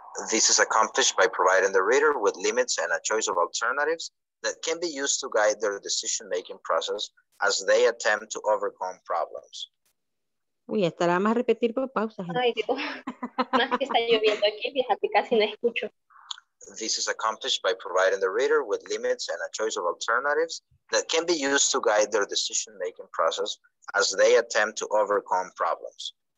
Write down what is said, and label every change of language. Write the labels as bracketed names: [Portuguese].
[English] This is accomplished by providing the reader with limits and a choice of alternatives that can be used to guide their decision-making process as they attempt to overcome problems. [Spanish] Uy, estará más a repetir por pausa. Ay, Dios. Más que está lloviendo aquí, fíjate, casi no escucho. [English] This is accomplished by providing the reader with limits and a choice of alternatives that can be used to guide their decision-making process as they attempt to overcome problems.